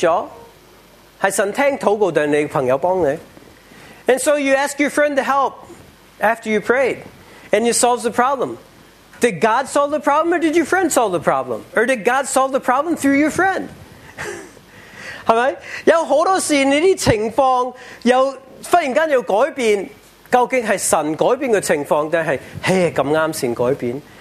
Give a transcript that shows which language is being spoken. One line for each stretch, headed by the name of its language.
Chinese: 你会依靠朋友,朋友来帮你解决了?是神听祷告对你的朋友帮你?
English: And so you ask your friend to help after you prayed, and you solved the problem. Did God solve the problem, or did your friend solve the problem? Or did God solve the problem through your friend?
Chinese: 有很多事情,这些情况,忽然间有改变,究竟是神改变的情况,还是刚刚才改变?